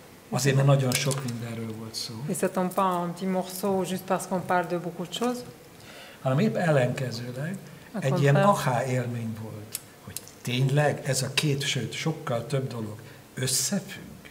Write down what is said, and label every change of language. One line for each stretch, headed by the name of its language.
Hungarian: Azért, mert nagyon sok mindenről volt szó.
French: Et ça tombe pas en petit morceau juste parce qu'on parle de beaucoup de choses.
Hungarian: Hanem épp ellenkezőleg egy ilyen aha élmény volt, hogy tényleg ez a két, sőt, sokkal több dolog összefügg.